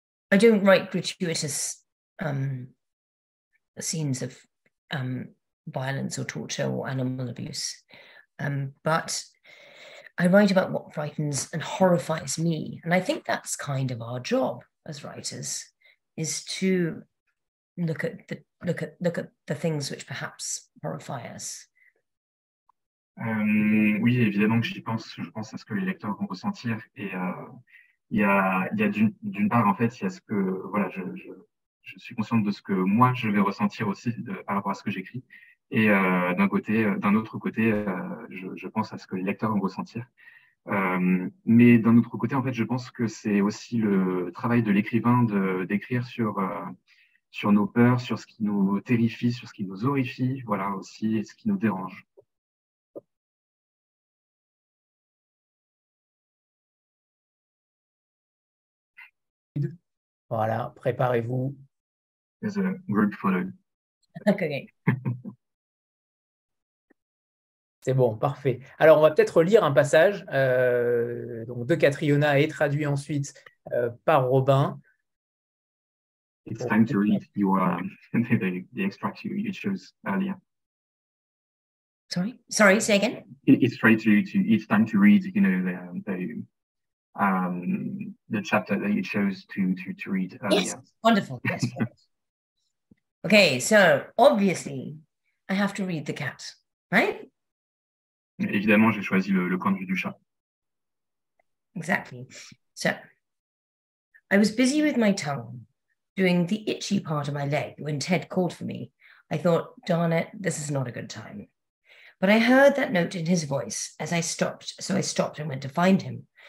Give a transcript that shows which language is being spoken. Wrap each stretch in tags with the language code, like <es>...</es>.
<en>I don't write gratuitous scenes of violence or torture or animal abuse, but I write about what frightens and horrifies me. And I think that's kind of our job as writers, is to look at the things which perhaps horrify us.</en> <fr>Oui, évidemment que j'y pense. Je pense à ce que les lecteurs vont ressentir. Et il y a d'une part, en fait, il y a ce que voilà, je suis consciente de ce que moi je vais ressentir aussi par rapport à ce que j'écris. Et d'un autre côté, je pense à ce que les lecteurs vont ressentir. Mais d'un autre côté, en fait, je pense que c'est aussi le travail de l'écrivain d'écrire sur nos peurs, sur ce qui nous terrifie, sur ce qui nous horrifie, voilà aussi, et ce qui nous dérange. Voilà, préparez-vous.</fr> <en>There's a group photo. Okay.</en> <fr>C'est bon, parfait. Alors, on va peut-être lire un passage donc de Catriona et traduit ensuite par Robin.</fr> <en>It's time to read the extract you chose earlier. Sorry, say again. It's time to read, you know, the chapter that you chose to read earlier. Yes, wonderful. Yes. Okay, so obviously, I have to read the cat, right?</en> <fr>Évidemment, j'ai choisi le point de vue du chat.</fr> <en>Exactly. So, I was busy with my tongue, doing the itchy part of my leg when Ted called for me. I thought, darn it, this is not a good time. But I heard that note in his voice as I stopped, so I stopped and went to find him.</en>